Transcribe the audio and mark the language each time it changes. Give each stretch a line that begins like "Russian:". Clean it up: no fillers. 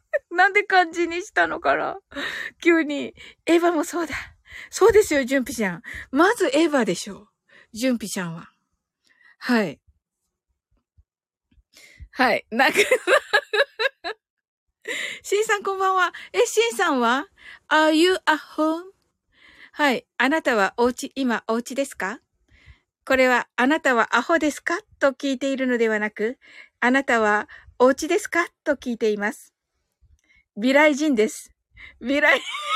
Japanese: なんで漢字にしたのかな、急に。エヴァもそうだ。そうですよ、ジュンピちゃん。まずエヴァでしょう。ジュンピちゃんは。はい。はい。なんか、シンさんこんばんは。え、シンさんは
English: ?Are you at home?
Japanese: はい。あなたはお家、今お家ですか?これは、あなたはアホですか? と聞いているのではなく、あなたはお家ですか? と聞いています。未来人です。未来人。